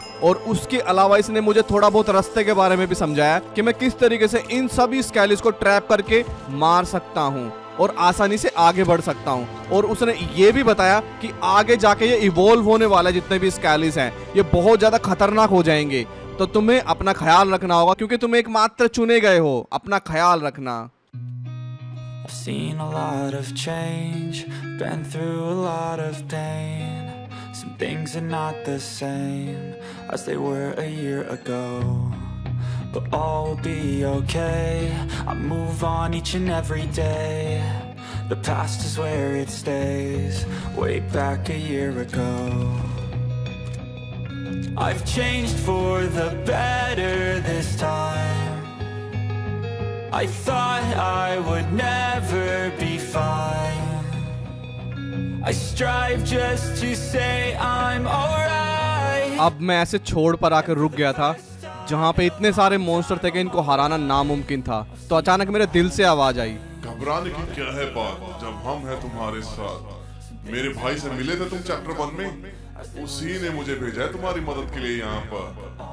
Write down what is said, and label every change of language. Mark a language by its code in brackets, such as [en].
[hi] और उसके अलावा इसने मुझे थोड़ा बहुत रास्ते के बारे में भी समझाया कि मैं किस तरीके से इन सभी स्केलिस को ट्रैप करके मार सकता हूँ और आसानी से आगे बढ़ सकता हूँ। और उसने ये भी बताया कि आगे जाके ये इवोल्व होने वाला है, जितने भी स्केलिस हैं ये बहुत ज़्यादा खतरनाक हो जाएंगे, तो तुम्हें अपना ख्याल रखना होगा क्योंकि तुम एक मात्र चुने गए हो, अपना ख्याल रखना। [en] I've seen a lot of change, been through a lot of pain, some things are not the same as they were a year ago. But all will be okay, I move on each and every day. The past is where it stays, way back a year ago. I've changed for the better this time. I thought I would never be fine. I strive just to say I'm alright. [hi] अब मैं ऐसे छोड़ पर आकर रुक गया था जहाँ पे इतने सारे मॉन्स्टर थे कि इनको हराना नामुमकिन था। तो अचानक मेरे दिल से आवाज आई, घबराने की क्या है बात जब हम हैं तुम्हारे साथ। मेरे भाई से मिले थे तुम चैप्टर वन में, उसी ने मुझे भेजा है तुम्हारी मदद के लिए यहाँ पर।